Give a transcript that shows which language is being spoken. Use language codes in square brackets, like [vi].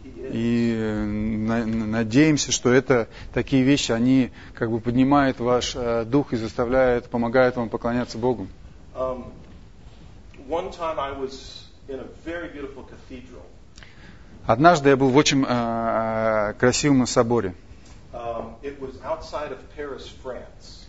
[ru] И надеемся, что это такие вещи, они как бы поднимают ваш дух и заставляют, помогают вам поклоняться Богу. [en] One time I was in a very beautiful cathedral. [ru] Однажды я был в очень красивом соборе. [en] It was outside of Paris, France.